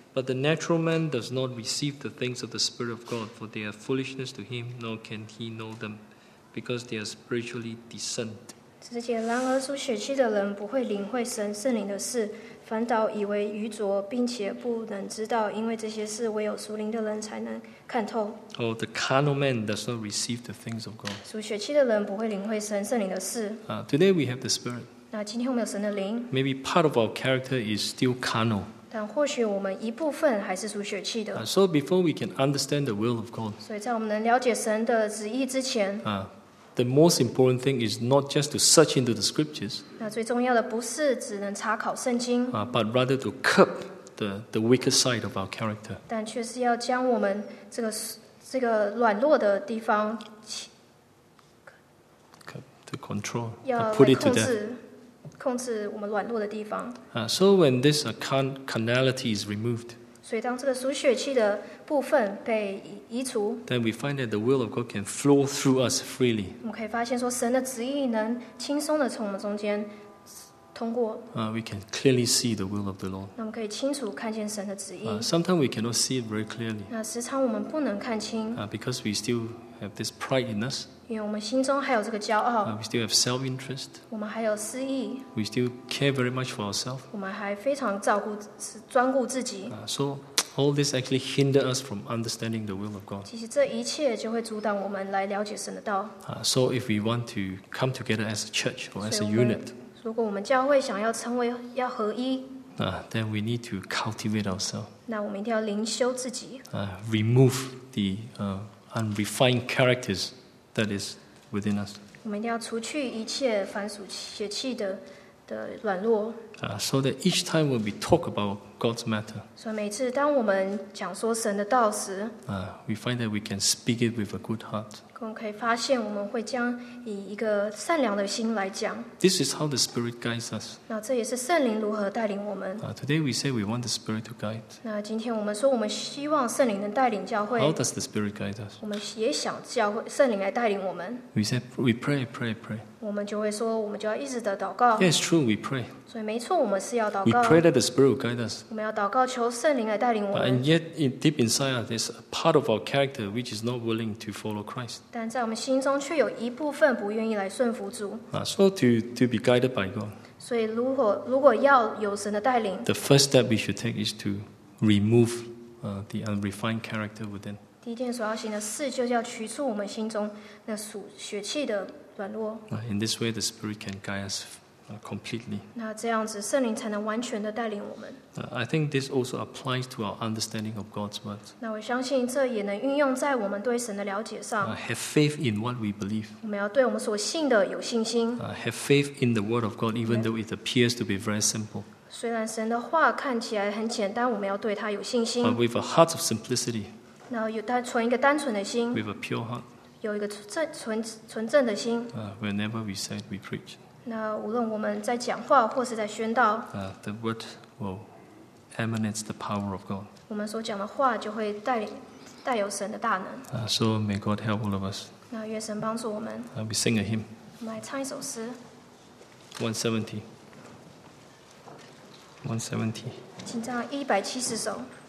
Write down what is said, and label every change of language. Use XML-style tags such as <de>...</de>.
<en>But the natural man does not receive the things of the Spirit of God, for they are foolishness to him, nor can he know them, because they are spiritually discerned.</en> <zh>十四节，然而属血气的人不会领会神圣灵的事。反倒以为愚拙，并且不能知道，因为这些事唯有属灵的人才能看透。</zh> <en>Oh, the carnal man does not receive the things of God.</en> <zh>属血气的人不会领会神圣灵的事。</zh> <en>Today we have the Spirit.</en> <zh>那今天我们有神的灵。</zh> <en>Maybe part of our character is still carnal.</en> <zh>但或许我们一部分还是属血气的。</zh> <en>So before we can understand the will of God.</en> <zh>所以在我们能了解神的旨意之前。</zh> <en>The most important thing is not just to search into the scriptures.</en> <zh>那最重要的不是只能查考圣经。</zh> <en>But rather to curb the weaker side of our character.</en> <zh>但却是要将我们这个软弱的地方。</zh> <en>To control.</en> <zh>要来控制</zh> <en>put it</en> <zh>to控制我们软弱的地方。</zh> <en>So when this carnality is removed.</en> <zh>所以当这个属血气的部分被移除</zh> <en>then we find that the will of God can flow through us freely.</en> <zh>我们可以发现说神的旨意能轻松的从我们中间通过</zh> <en>We can clearly see the will of the Lord.</en> <zh>那我们可以清楚看见神的旨意</zh> <en>Sometimes we cannot see it very clearly.</en> <zh>那时常我们不能看清</zh> <en>Because we still have this pride in us.</en> <zh>因为我们心中还有这个骄傲</zh> <en>We still have self-interest.</en> <zh>我们还有私意</zh> <en>We still care very much for ourselves.</en> <zh>我们还非常照顾专顾自己</zh> <en>So,All this actually hinder us from understanding the will of God.</en> <zh>其实这一切就会阻挡我们来了解神的道。</zh> <en>So if we want to come together as a church or as a unit,</en> <zh>如果我们教会想要成为要合一，</zh> <en>then we need to cultivate ourselves.</en> <zh>那我们一定要灵修自己。</zh> <en>Remove the unrefined characters that is within us.</en> <zh>我们一定要除去一切凡属血气的软弱。</zh> <en>So that each time when we talk about God's matter.</en> <zh>所以每次当我们讲说神的道时，</zh> <en>we find that we can speak it with a good heart.</en> <zh>我们可以发现我们会将以一个善良的心来讲。</zh> <en>This is how the Spirit guides us.</en> <zh>那这也是圣灵如何带领我们。</zh> <en>Today we say we want the Spirit to guide.</en> <zh>那今天我们说我们希望圣灵能带领教会。</zh> <en>How does the Spirit guide us?</en> <zh>我们也想教会圣灵来带领我们。</zh> <en>We say we pray, pray, pray.</en> <zh>我们就会说，我们就要一直的祷告。</zh> <en>Yes, true, we pray.</en> <zh>所以没错，我们是要祷告。</zh> <en>We pray that the Spirit will guide us.</en> <zh>我们要祷告，求圣灵来带领我们。</zh> <en>And yet, deep inside, there's a part of our character which is not willing to follow Christ.</en> <zh>但在我们心中却有一部分不愿意来顺服主。</zh> <en>So to be guided by God.</en> <zh>所以如果要有神的带领</zh> <en>，the first step we should take is to remove the unrefined character within.</en> <zh>第一件所要行的事，就是要驱除我们心中那属血气的。</zh> <en>In this way, the Spirit can guide us completely.</en> <zh>那这样子，圣灵才能完全的带领我们。</zh> <en>I think this also applies to our understanding of God's word.</en> <zh>那我相信这也能运用在我们对神的了解上。</zh> <en>Have faith in what we believe.</en> <zh>我们要对我们所信的有信心。</zh> <en>Have faith in the word of God, even though it appears to be very simple.</en> <zh>虽然神的话看起来很简单，我们要对他有信心。</zh> <en>But with a heart of simplicity.</en> <zh>那有单纯一个单纯的心。</zh> <en>With a pure heart.</en> <zh>有一个纯正的心。</zh> <en>Whenever we say we preach,</en> <zh>那无论我们在讲话或是在宣道，</zh> <en>the word will emanate the power of God.</en> <zh>我们所讲的话就会带有神的大能。</zh> <en>So may God help all of us.</en> <zh>那愿神帮助我们。</zh> <en>We sing a hymn.</en> <zh>我们来唱一首诗。</zh> <en>170.</en> <zh>请唱170首。</zh>